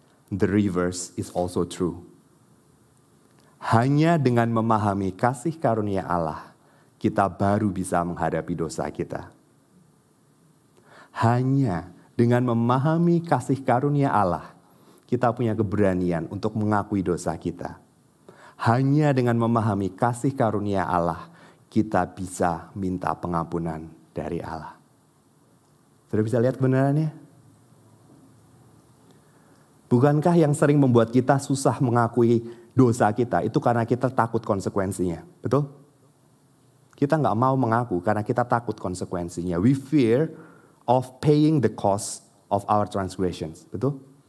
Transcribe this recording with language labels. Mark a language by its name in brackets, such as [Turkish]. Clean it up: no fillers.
[English] The reverse is also true. [Indonesian] Hanya dengan memahami kasih karunia Allah, kita baru bisa menghadapi dosa kita. Hanya dengan memahami kasih karunia Allah, kita punya keberanian untuk mengakui dosa kita. Hanya dengan memahami kasih karunia Allah, kita bisa minta pengampunan dari Allah. Sudah bisa lihat kebenarannya? Bukankah yang sering membuat kita susah mengakui dosa kita, itu karena kita takut konsekuensinya, betul? Kita gak mau mengaku karena kita takut konsekuensinya. [English] We fear of paying the cost of our transgressions, [Indonesian] betul?